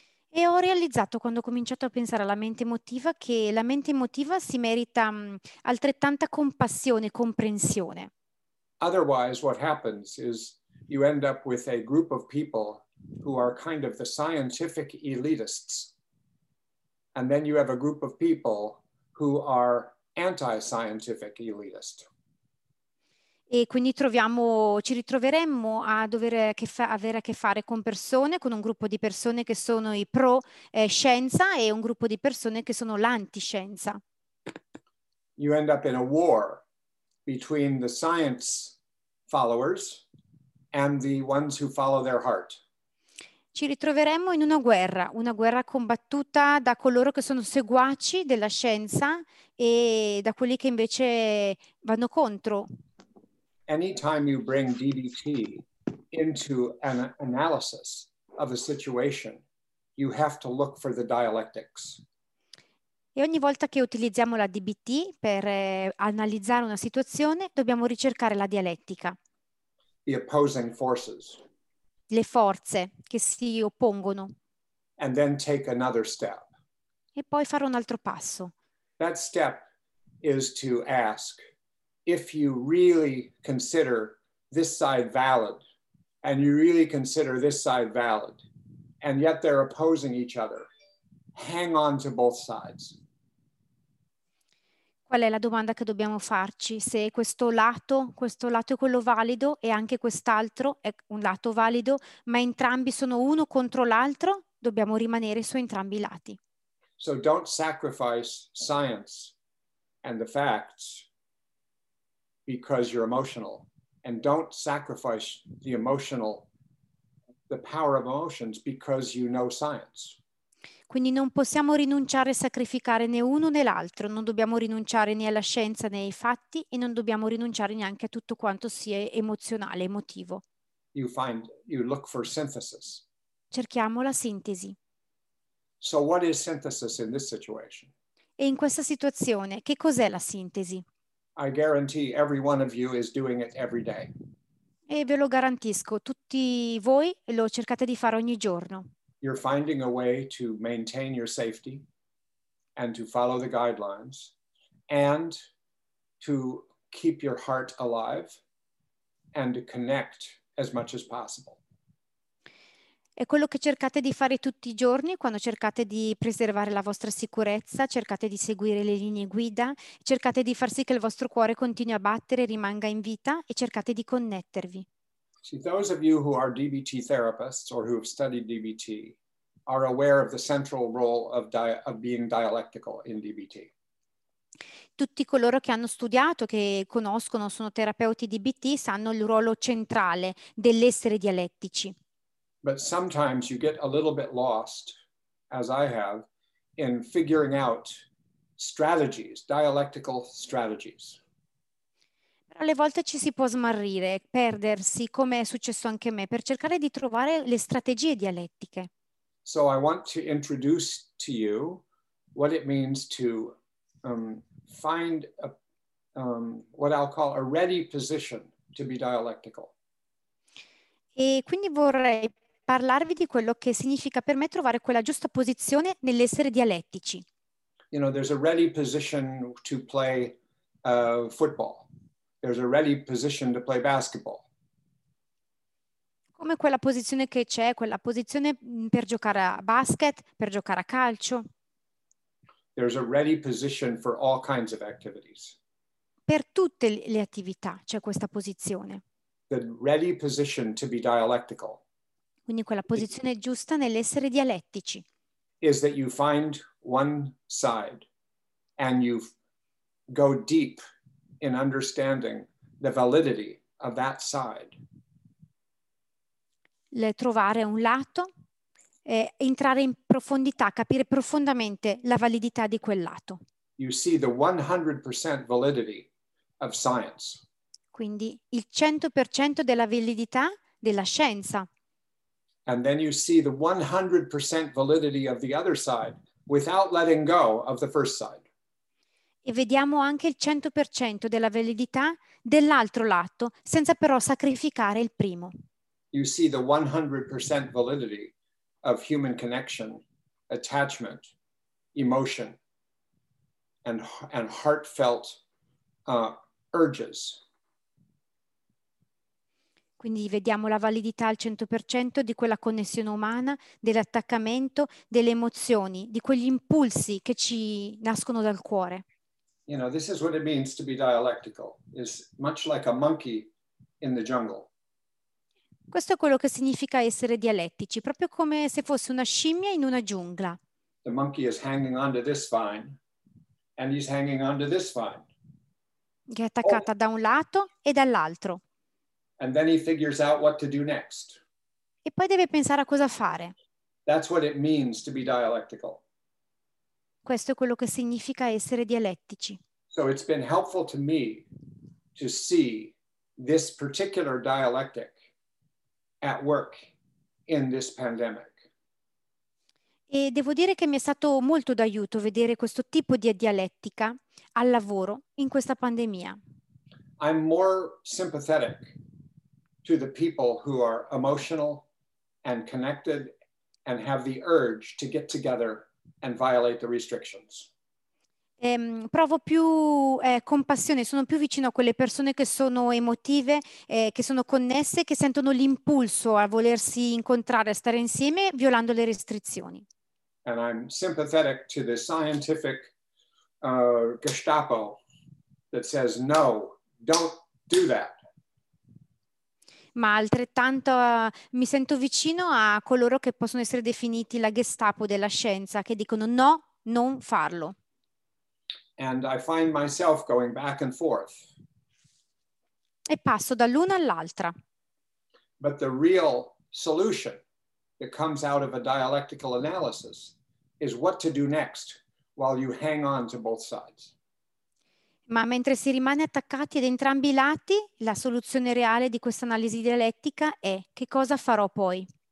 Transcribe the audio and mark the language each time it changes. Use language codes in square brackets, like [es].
[it] E ho realizzato quando ho cominciato a pensare alla mente emotiva che la mente emotiva si merita altrettanta compassione e comprensione. [en] Otherwise, what happens is you end up with a group of people who are kind of the scientific elitists, and then you have a group of people who are anti-scientific elitists. [it] E quindi troviamo, ci ritroveremmo a dover avere a che fare con persone, con un gruppo di persone che sono i pro scienza e un gruppo di persone che sono l'antiscienza. [en] You end up in a war between the science followers and the ones who follow their heart. [it] Ci ritroveremmo in una guerra combattuta da coloro che sono seguaci della scienza e da quelli che invece vanno contro. [en] Anytime you bring DBT into an analysis of a situation, you have to look for the dialectics. [it] E ogni volta che utilizziamo la DBT per analizzare una situazione, dobbiamo ricercare la dialettica. [en] The opposing forces. [it] Le forze che si oppongono. [en] And then take another step. [it] E poi fare un altro passo. [en] That step is to ask, if you really consider this side valid, and you really consider this side valid, and yet they're opposing each other, hang on to both sides. [it] Qual è la domanda che dobbiamo farci? Se questo lato è quello valido, e anche quest'altro è un lato valido, ma entrambi sono uno contro l'altro, dobbiamo rimanere su entrambi i lati. [en] So don't sacrifice science and the facts because you're emotional, and don't sacrifice the emotional, the power of emotions because you know science. [it] Quindi non possiamo rinunciare e sacrificare né uno né l'altro, non dobbiamo rinunciare né alla scienza né ai fatti e non dobbiamo rinunciare neanche a tutto quanto sia emozionale, emotivo. [en] You find, you look for synthesis. [it] Cerchiamo la sintesi. [en] So what is synthesis in this situation? [it] E in questa situazione che cos'è la sintesi? [en] I guarantee every one of you is doing it every day. [it] E ve lo garantisco, tutti voi lo cercate di fare ogni giorno. [en] You're finding a way to maintain your safety and to follow the guidelines and to keep your heart alive and to connect as much as possible. [it] È quello che cercate di fare tutti i giorni quando cercate di preservare la vostra sicurezza, cercate di seguire le linee guida, cercate di far sì che il vostro cuore continui a battere, rimanga in vita e cercate di connettervi. [en] See, those of you who are DBT therapists or who have studied DBT are aware of the central role of being dialectical in DBT. [it] Tutti coloro che hanno studiato, che conoscono, sono terapeuti DBT, sanno il ruolo centrale dell'essere dialettici. [en] But sometimes you get a little bit lost, as I have, in figuring out strategies, dialectical strategies. [it] Però alle volte ci si può smarrire, perdersi, come è successo anche a me, per cercare di trovare le strategie dialettiche. [en] So I want to introduce to you what it means to find a, what I'll call a ready position to be dialectical. [it] E quindi vorrei parlarvi di quello che significa per me trovare quella giusta posizione nell'essere dialettici. [en] You know, there's a ready position to play football. There's a ready position to play basketball. [it] Come quella posizione che c'è, quella posizione per giocare a basket, per giocare a calcio. [en] There's a ready position for all kinds of activities. [it] Per tutte le attività c'è questa posizione. [en] The ready position to be dialectical. [it] Quindi quella posizione giusta nell'essere dialettici. [en] Is that you find one side and you go deep in understanding the validity of that side. [it] Le trovare un lato e entrare in profondità, capire profondamente la validità di quel lato. [en] You see the 100% validity of science. [it] Quindi il 100% della validità della scienza. [en] And then you see the 100% validity of the other side without letting go of the first side. [it] E vediamo anche il 100% della validità dell'altro lato, senza però sacrificare il primo. [en] You see the 100% validity of human connection, attachment, emotion, and heartfelt urges. [it] Quindi vediamo la validità al 100% di quella connessione umana, dell'attaccamento, delle emozioni, di quegli impulsi che ci nascono dal cuore. [en] You know, this is what it means to be dialectical. It's much like a monkey in the jungle. [it] Questo è quello che significa essere dialettici, proprio come se fosse una scimmia in una giungla. [en] The monkey is hanging onto this vine, and he's hanging onto this vine. [it] Che è attaccata da un lato e dall'altro. [en] And then he figures out what to do next. [it] E poi deve pensare a cosa fare. [en] That's what it means to be dialectical. [it] Questo è quello che significa essere dialettici. [en] So it's been helpful to me to see this particular dialectic at work in this pandemic. [it] E devo dire che mi è stato molto d'aiuto vedere questo tipo di dialettica al lavoro in questa pandemia. [en] I'm more sympathetic to the people who are emotional and connected and have the urge to get together and violate the restrictions. [it] Provo più compassione, sono più vicino a quelle persone che sono emotive, che sono connesse, che sentono l'impulso a volersi incontrare, a stare insieme, violando le restrizioni. [en] And I'm sympathetic to the scientific Gestapo that says, no, don't do that. [it] Ma altrettanto mi sento vicino a coloro che possono essere definiti la Gestapo della scienza, che dicono no, non farlo. [en] And I find myself going back and forth. [it] E passo dall'una all'altra. [en] But the real solution that comes out of a dialectical analysis is what to do next while you hang on to both sides. [it] Ma mentre si rimane attaccati ad entrambi i lati, la soluzione reale di questa analisi dialettica è: che cosa farò poi?